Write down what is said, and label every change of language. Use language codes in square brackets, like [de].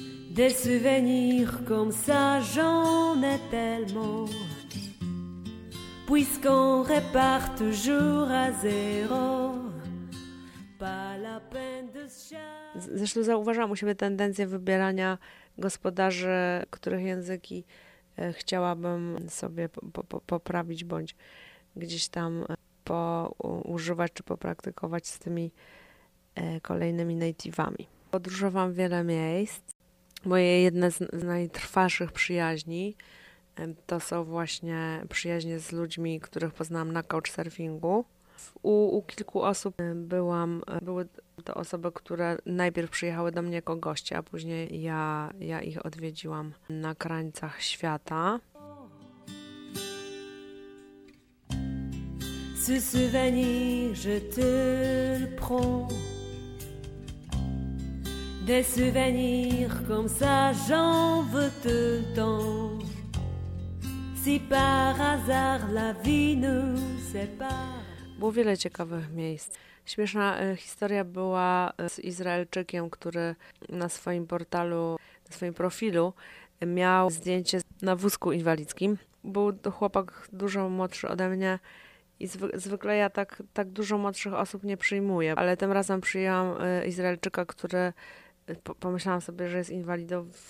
[fr] Des souvenirs comme ça, j'en ai tellement. Puisqu'on répare toujours à zéro. Pas la peine de se chercher. [pl] Zresztą zauważam u siebie tendencję wybierania gospodarzy, których języki chciałabym sobie poprawić bądź gdzieś tam używać czy popraktykować z tymi kolejnymi native'ami. Podróżowałam wiele miejsc. Moje jedne z najtrwalszych przyjaźni to są właśnie przyjaźnie z ludźmi, których poznałam na couchsurfingu. U kilku osób były to osoby, które najpierw przyjechały do mnie jako goście, a później ja ich odwiedziłam na krańcach świata. [fr] Ce souvenir, je te le prends. Des souvenirs comme ça, j'en veux tout le temps. Si par hasard la vie nous sépare. [pl] Bo wiele ciekawych miejsc. Śmieszna historia była z Izraelczykiem, który na swoim portalu, na swoim profilu miał zdjęcie na wózku inwalidzkim. Był to chłopak dużo młodszy ode mnie i zwykle ja tak dużo młodszych osób nie przyjmuję, ale tym razem przyjęłam Izraelczyka, który pomyślałam sobie, że jest inwalidą.